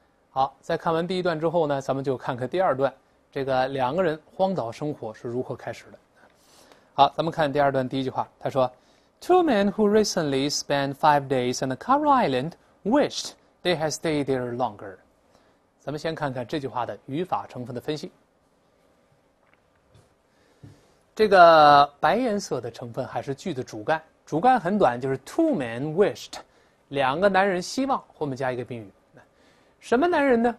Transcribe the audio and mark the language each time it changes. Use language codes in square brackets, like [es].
[zh] 好，在看完第一段之后呢，咱们就看看第二段，这个两个人荒岛生活是如何开始的。好，咱们看第二段第一句话，他说：“ [en] Two men who recently spent 5 days on the Caro Island wished they had stayed there longer。 [zh] ”咱们先看看这句话的语法成分的分析。这个白颜色的成分还是句的主干，主干很短，就是 [en] two men wished， [zh] 两个男人希望，后面加一个宾语。什么男人呢？